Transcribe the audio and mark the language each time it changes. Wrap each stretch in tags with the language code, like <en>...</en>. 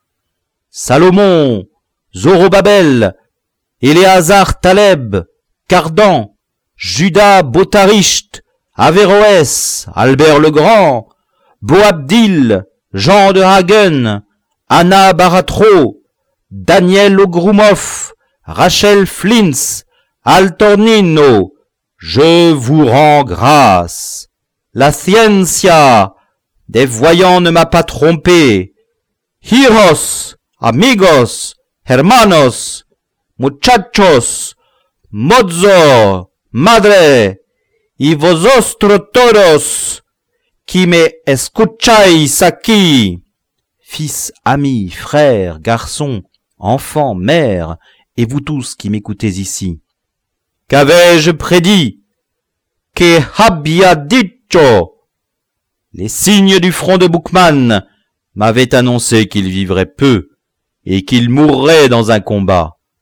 <fr>« Salomon, Zorobabel, Éléazar Taleb, Cardan, Judas Botaricht, Averroès, Albert le Grand, Boabdil, Jean de Hagen, Anna Baratro, Daniel Ogroumov, Rachel Flins, Altornino, je vous rends grâce. La Ciencia, des voyants ne m'a pas trompé.</fr> <es>Hijos, amigos, hermanos, muchachos, mozo, madre, y vosotros todos, qui me escucháis aquí.</es> <fr>Fils, amis, frères, garçons, enfants, mères, et vous tous qui m'écoutez ici. Qu'avais-je prédit?</fr> <es>Que habia dicho?</es> <fr>Les signes du front de Buchmann m'avaient annoncé qu'il vivrait peu et qu'il mourrait dans un combat.</fr>